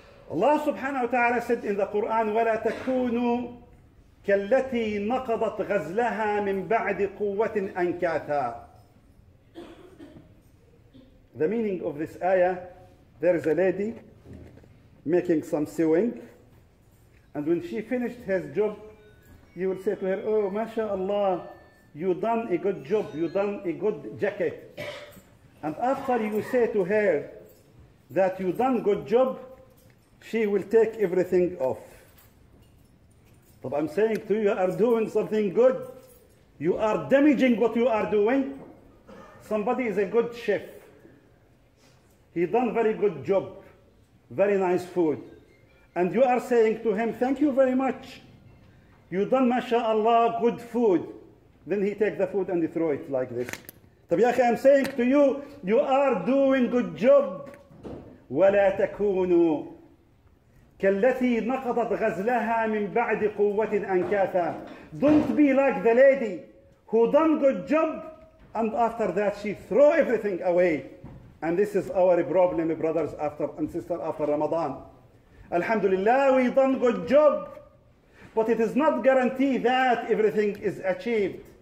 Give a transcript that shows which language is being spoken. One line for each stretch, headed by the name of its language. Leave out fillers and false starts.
English: Allah subhanahu wa ta'ala said in the Quran,
Arabic: وَلَا تَكُونُوا كالتي نقضت غزلها من بعد قوة أنكاثا.
English: The meaning of this ayah, there is a lady making some sewing, and when she finished her job, you will say to her, oh, mashallah, you done a good job, you done a good jacket. And after you say to her that you done good job, she will take everything off. I'm saying to you, you are doing something good. You are damaging what you are doing. Somebody is a good chef. He done very good job, very nice food. And you are saying to him, thank you very much. You done, mashallah, good food. Then he take the food and he throw it like this. I'm saying to you, you are doing good job.
Arabic: وَلَا تَكُونُوا كالتي نقضت غزلها من بعد قوة أنكاثا.
English: Don't be like the lady who done good job and after that she throw everything away. And this is our problem, brothers after and sister, after Ramadan. Alhamdulillah, we done good job, but it is not guaranteed that everything is achieved.